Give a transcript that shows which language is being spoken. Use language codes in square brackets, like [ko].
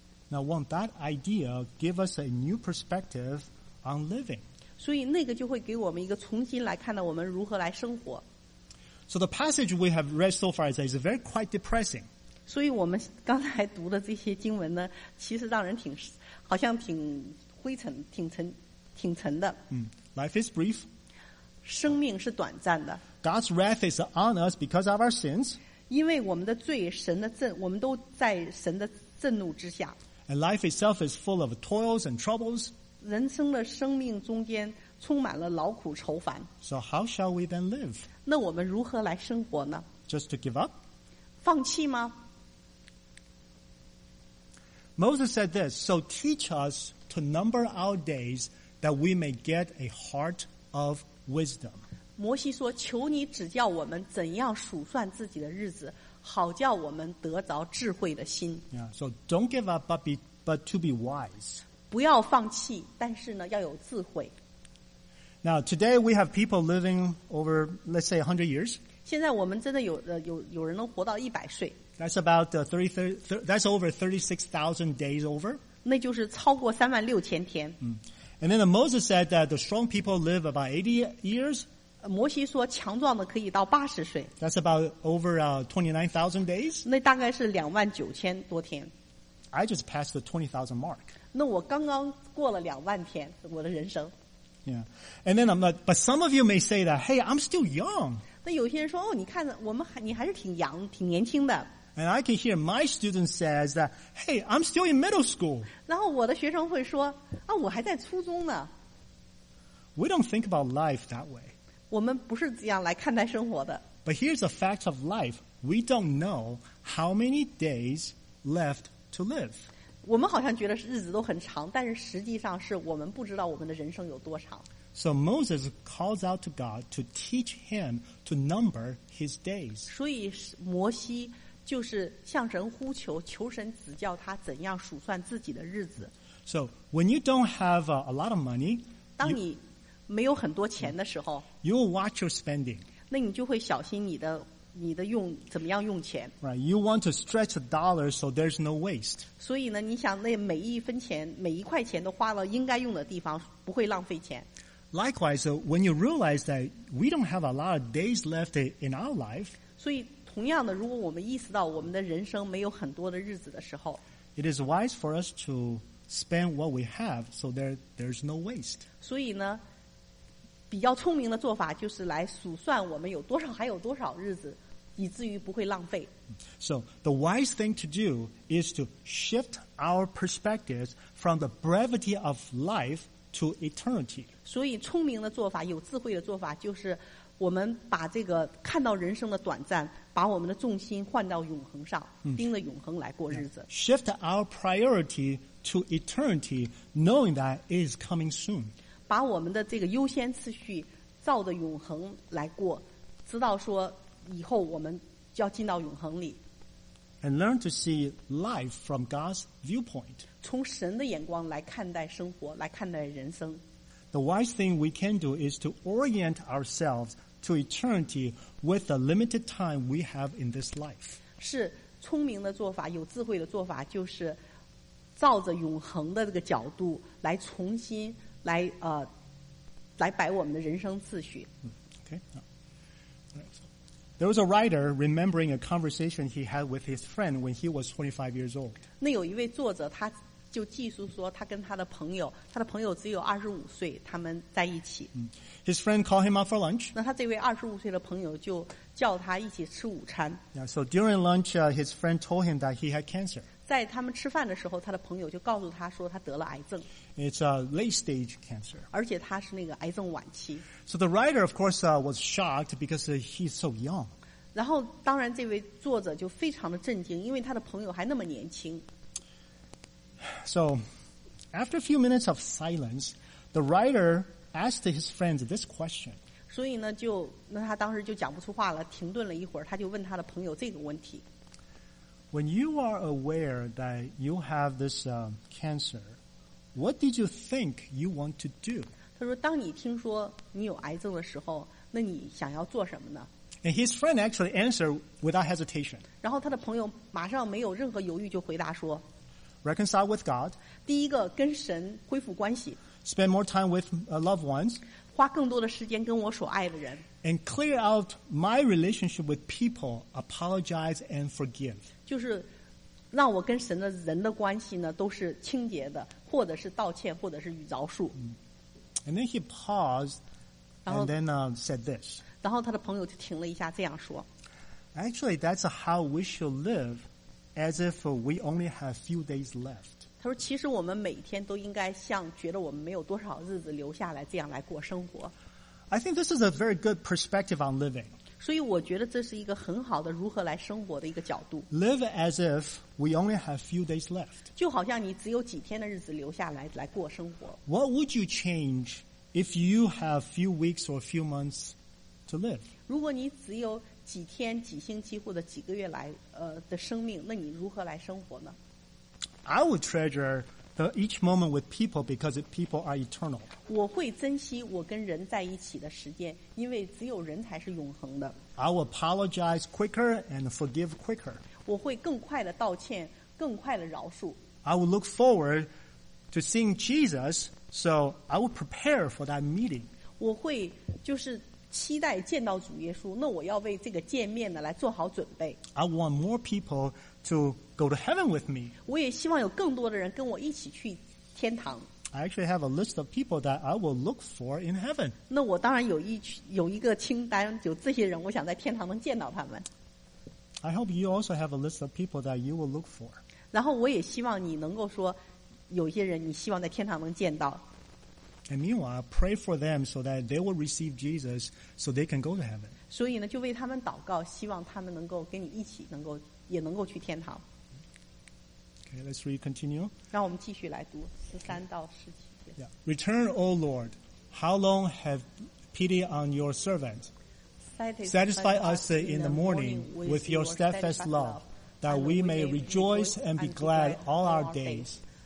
[en] Now won't that idea give us a new perspective on living? [zh] 所以那个就会给我们一个重新来看到我们如何来生活。 [en] So the passage we have read so far is very quite depressing. [zh] 所以我们刚才读的这些经文呢，其实让人挺好像挺灰尘挺沉挺沉的。 [en] Life is brief. [zh] 生命是短暂的。 [en] God's wrath is on us because of our sins. [zh] 因为我们的罪，神的震，我们都在神的震怒之下。 [en] And life itself is full of toils and troubles. [zh] 人生的生命中间充满了劳苦愁烦。 [en] So how shall we then live? [zh] 那我们如何来生活呢？ [en] Just to give up? [zh] 放弃吗？ [en] Moses said this, so teach us to number our days, that we may get a heart of wisdom. [zh] 摩西说，求你指教我们怎样数算自己的日子，好叫我们得着智慧的心。 [en] Yeah, so don't give up but to be wise. [zh] 不要放弃，但是呢要有智慧。 [en] Now, today we have people living over, let's say, 100 years. [zh] 现在我们真的有人能活到100岁。 [en] That's about 30, that's over 36,000 days over. [zh] 那就是超过36,000天。 [en] And then Moses said that the strong people live about 80 years. [zh] 摩西说强壮的可以到80岁。 [en] That's about over 29,000 days. [zh] 那大概是29,000多天。 [en] I just passed the 20,000 mark. [zh] 那我刚刚过了20,000天，我的人生。 [en] Yeah, and then I'm like, but some of you may say that, hey, I'm still young. [zh] 那有些人说，哦，你看，我们还你还是挺 [en] young, [zh] 挺年轻的。 [en] And I can hear my student says that, hey, I'm still in middle school. [zh] 然后我的学生会说，啊，我还在初中呢。 [en] We don't think about life that way. [zh] 我们不是这样来看待生活的。 [en] But here's a fact of life: we don't know how many days left to live. [zh] 我们好像觉得日子都很长，但是实际上是我们不知道我们的人生有多长。 [en] So Moses calls out to God to teach him to number his days. [zh] 所以摩西就是向神呼求，求神指教他怎样数算自己的日子。 [en] So when you don't have a lot of money, [zh] 当你没有很多钱的时候 [en] you will watch your spending. [zh] 那你就会小心你的用怎么样用钱 [en] ？Right, you want to stretch a dollar so there's no waste. [zh] 所以呢，你想那每一分钱、每一块钱都花了应该用的地方，不会浪费钱。 [en] Likewise, so when you realize that we don't have a lot of days left in our life, [zh] 所以同样的，如果我们意识到我们的人生没有很多的日子的时候 [en] ，It is wise for us to spend what we have so there's no waste. [zh] 所以呢。比较聪明的做法就是来数算我们有多少还有多少日子，以至于不会浪费。 [en] So the wise thing to do is to shift our perspectives from the brevity of life to eternity. [zh] 所以聪明的做法，有智慧的做法，就是我们把这个看到人生的短暂，把我们的重心换到永恒上，盯着永恒来过日子。 [en] Shift our priority to eternity, knowing that it is coming soon. [zh] 把我们的这个优先次序照着永恒来过，知道说以后我们就要进到永恒里。 [en] And learn to see life from God's viewpoint. [zh] 从神的眼光来看待生活，来看待人生。 [en] The wise thing we can do is to orient ourselves to eternity with the limited time we have in this life. [zh] 是聪明的做法，有智慧的做法，就是照着永恒的这个角度来重新。来摆我们的人生次序。 [en] There was a writer remembering a conversation he had with his friend when he was 25 years old. [zh] 那有一位作者，他就记述说，他跟他的朋友只有25岁，他们在一起。 [en] His friend called him out for lunch. [zh] 那他这位25岁的朋友就叫他一起吃午餐。 [en] Yeah, so during lunch, his friend told him that he had cancer. [zh] 在他们吃饭的时候，他的朋友就告诉他说他得了癌症。 [en] It's a late stage cancer. [zh] 而且他是那个癌症晚期。 [en] So the writer, of course, was shocked because he's so young. [zh] 然后当然这位作者就非常的震惊，因为他的朋友还那么年轻。 [en] So after a few minutes of silence, the writer asked his friends this question. [zh] 所以呢，就那他当时就讲不出话了，停顿了一会儿，他就问他的朋友这个问题。 [en] When you are aware that you have this cancer, what did you think you want to do? [zh] 他说，当你听说你有癌症的时候，那你想要做什么呢？ [en] And his friend actually answered without hesitation. [zh] 然后他的朋友马上没有任何犹豫就回答说， [en] Reconcile with God. [zh] 第一个跟神恢复关系。 [en] Spend more time with loved ones. [zh] 花更多的时间跟我所爱的人。 [en] And clear out my relationship with people, apologize and forgive. [zh] 就是让我跟神的人的关系呢都是清洁的，或者是道歉，或者是与饶恕。 [en] And then he paused, and then said this. [zh] 然后他的朋友就停了一下，这样说。 [en] Actually, that's how we should live, as if we only have a few days left. [zh] 他说，其实我们每天都应该像觉得我们没有多少日子留下来，这样来过生活。 [en] I think this is a very good perspective on living. [zh] 所以我觉得这是一个很好的如何来生活的一个角度。 [en] Live as if we only have few days left. [zh] 就好像你只有几天的日子留下来来过生活。 [en] What would you change if you have few weeks or few months to live? [zh] 如果你只有几天、几星期或者几个月来的生命，那你如何来生活呢？ [en] I would treasure each moment with people because people are eternal. [zh] 我会珍惜我跟人在一起的时间，因为只有人才是永恒的。 [en] I will apologize quicker and forgive quicker. [zh] 我会更快的道歉，更快的饶恕。 [en] I will look forward to seeing Jesus, so I will prepare for that meeting. [zh] 我会就是期待见到主耶稣，那我要为这个见面呢来做好准备。 [en] I want more people to go to heaven with me. [zh] 我也希望有更多的人跟我一起去天堂。 [en] I actually have a list of people that I will look for in heaven. [zh] 那我当然有一个清单，就这些人，我想在天堂能见到他们。 [en] I hope you also have a list of people that you will look for. [zh] 然后我也希望你能够说，有些人你希望在天堂能见到。 [en] And meanwhile, pray for them so that they will receive Jesus so they can go to heaven. [zh] 所以呢，就为他们祷告，希望他们能够跟你一起，能够也能够去天堂。 [en] Okay, let's read, continue. [zh] 让我们继续来读13到17节。 [en] Yeah. Return, O Lord, how long have pity on your servant? Satisfy us in the morning with your steadfast love, that we may rejoice and be glad all our days.